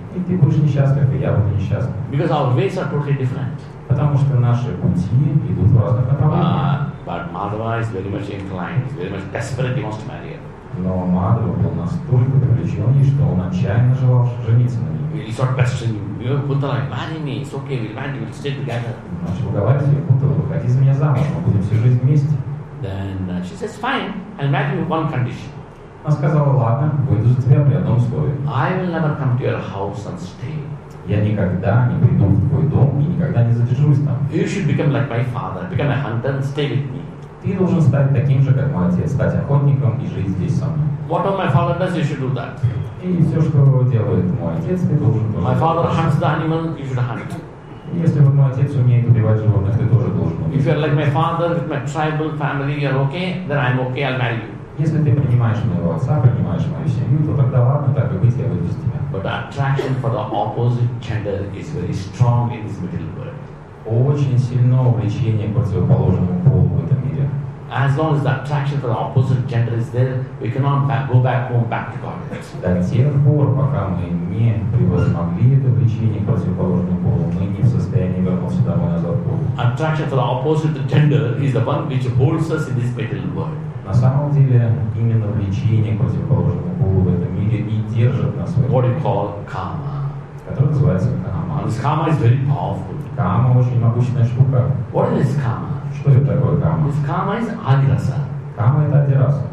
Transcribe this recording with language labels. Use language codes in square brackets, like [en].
[ru] И ты будешь несчастлив, и я буду несчастлив. [en] Because our ways are totally different. [ru] Потому что наши пути идут в разных направлениях. [en] But Madhava is very much inclined, he's very much desperate, he wants to marry her. [ru] Но Madhava был настолько привлечен, что он отчаянно желал жениться на ней. [en] He started questioning, you know, Kuntala, marry me, it's okay, we'll marry, we'll stay together. [ru] Начал уговаривать ее, Kuntala, выходи за меня замуж, мы будем всю жизнь вместе. [en] Then she says, fine, I'll marry you with one condition. [ru] Она сказала, ладно, выйду за тебя при одном условии. [en] I will never come to your house and stay. [ru] Я никогда не приду в твой дом и никогда не задержусь там. [en] You should become like my father, become a hunter and stay with me. [ru] Ты должен стать таким же, как мой отец, стать охотником и жить здесь со мной. [en] Whatever my father does, you should do that. [ru] И все, что делает мой отец, ты должен тоже. [en] My father hunts the animal, you should hunt. [ru] Если вот мой отец умеет убивать животных, ты тоже должен убивать. [en] If you're like my father, with my tribal family, you're okay, then I'm okay, I'll marry you. [ru] Если ты принимаешь моего отца, принимаешь мою семью, то тогда ладно, так и быть, я выйду с тебя. [en] But the attraction for the opposite gender is very strong in this material world. [ru] Очень сильно влечение противоположному полу в этом мире. [en] As long as the attraction for the opposite gender is there, we cannot go back home, back to God. [ru] До тех пор, пока мы не превозмогли это влечение противоположному полу, мы не в состоянии вернуться домой назад к Богу. [en] Attraction for the opposite gender is the one which holds us in this material world. [ru] На самом деле, именно влечение к противоположному полу в этом мире и держит нас в этом мире. [en] What we call karma. [ru] Которое называется карма. [en] This karma is very powerful. [ru] Карма очень могущественная штука. [en] What is karma? [ru] Что это такое карма? [en] This karma is adirasa. [ru] Карма это адираса.